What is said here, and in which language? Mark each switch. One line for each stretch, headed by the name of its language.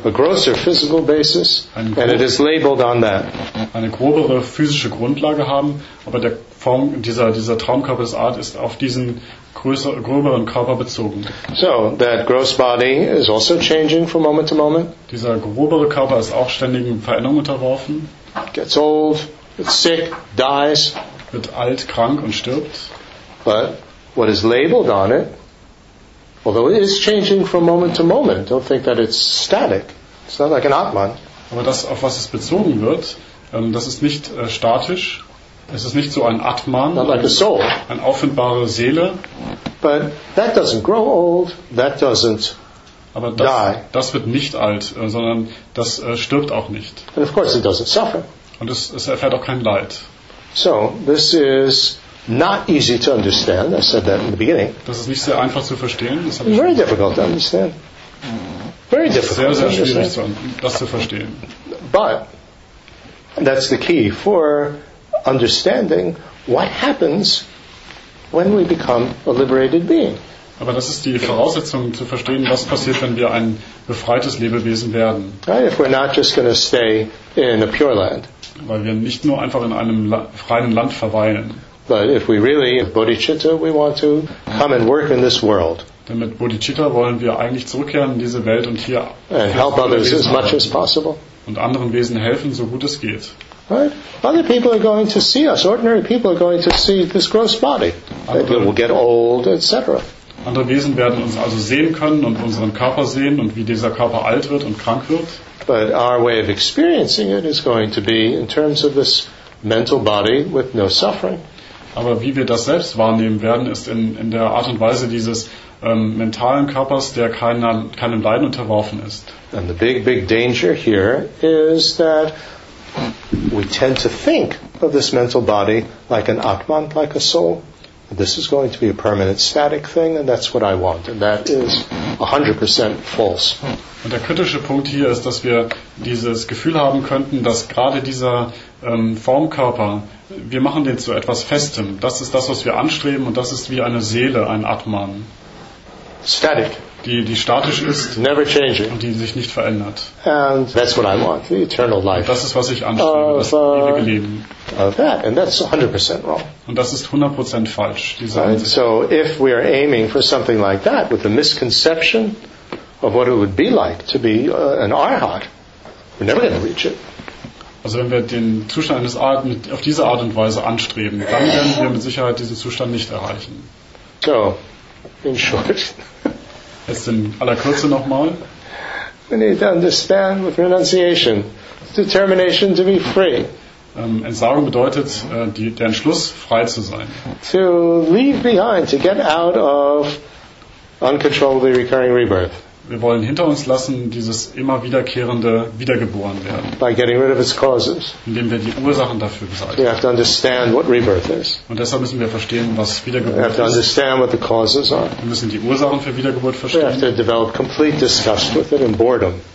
English: a grosser physical basis, and it is labeled on that.
German: Eine grobere physische Grundlage haben, aber der Form dieser Traumkörpersart ist auf diesen gröberen Körper bezogen.
English: So that gross body is also changing from moment to moment.
German: Dieser grobere Körper ist auch ständigen Veränderungen unterworfen.
English: Gets old, gets sick, dies.
German: Wird alt, krank und stirbt.
English: But what is labeled on it? Although it is changing from moment to moment, don't think that it's static. It's not like an Atman.
German: Aber das, auf was es bezogen wird, das ist nicht statisch. Es ist nicht so ein Atman.
English: Not like a soul.
German: Eine auffindbare Seele.
English: But that doesn't grow old. That doesn't
German: aber das,
English: die.
German: Das wird nicht alt, sondern das stirbt auch nicht.
English: And of course it doesn't suffer.
German: Und es erfährt auch kein Leid.
English: So this is not easy to understand. I said that in the beginning.
German: Das ist nicht sehr einfach zu verstehen. Das habe ich
English: very difficult to understand. Very difficult.
German: Sehr, sehr schwierig, das zu verstehen.
English: But that's the key for understanding what happens when we become a liberated being.
German: Aber das ist die Voraussetzung zu verstehen, was passiert, wenn wir ein befreites Lebewesen werden.
English: Right, if we're not just going to stay in a pure land.
German: weil wir nicht nur einfach in einem freien Land verweilen.
English: But if we really bodhicitta, we want to come and work in this world.
German: Denn mit Bodhicitta wollen wir eigentlich zurückkehren in diese Welt und hier
English: and help others as much as possible.
German: Und anderen Wesen helfen, so gut es geht.
English: Right? Other people are going to see us. Ordinary people are going to see this gross body. They will get old, etc.
German: Andere Wesen werden uns also sehen können und unseren Körper sehen und wie dieser Körper alt wird und krank wird.
English: But our way of experiencing it is going to be in terms of this mental body with no suffering.
German: Aber wie wir das selbst wahrnehmen werden, ist in der Art und Weise dieses mentalen Körpers, der keinem Leiden unterworfen ist.
English: And the big, big danger here is that we tend to think of this mental body like an Atman, like a soul. This is going to be a permanent static thing, and that's what I want. And that is 100% false.
German: Und der kritische Punkt hier ist, dass wir dieses Gefühl haben könnten, dass gerade dieser Formkörper, wir machen den zu etwas Festem. Das ist das, was wir anstreben, und das ist wie eine Seele, ein Atman.
English: Static.
German: Die statisch ist.
English: Never changing.
German: Und die sich nicht verändert.
English: And that's what I want, the eternal life.
German: Das ist, was ich anstrebe, das ewige Leben.
English: Of that, and that's 100% wrong.
German: Und das ist 100% falsch.
English: Right? So if we are aiming for something like that, with the misconception of what it would be like to be an arhat, we're never going to reach it.
German: Also wenn wir den Zustand eines Arhat auf diese Art und Weise anstreben, dann werden wir mit Sicherheit diesen Zustand nicht erreichen.
English: So, in short.
German: Jetzt in aller Kürze nochmal.
English: We need to understand with renunciation, determination to be free.
German: Entsagung bedeutet, der Entschluss, frei zu sein.
English: To leave behind, to get out of uncontrollably recurring rebirth.
German: Wir wollen hinter uns lassen, dieses immer wiederkehrende Wiedergeboren werden.
English: By getting rid of its causes.
German: Indem wir die Ursachen dafür beseitigen.
English: We have to understand what rebirth is.
German: Und deshalb müssen wir verstehen, was Wiedergeburt ist.
English: We have to understand what the causes are.
German: Wir müssen die Ursachen für Wiedergeburt verstehen.
English: We have to develop complete disgust with it and boredom.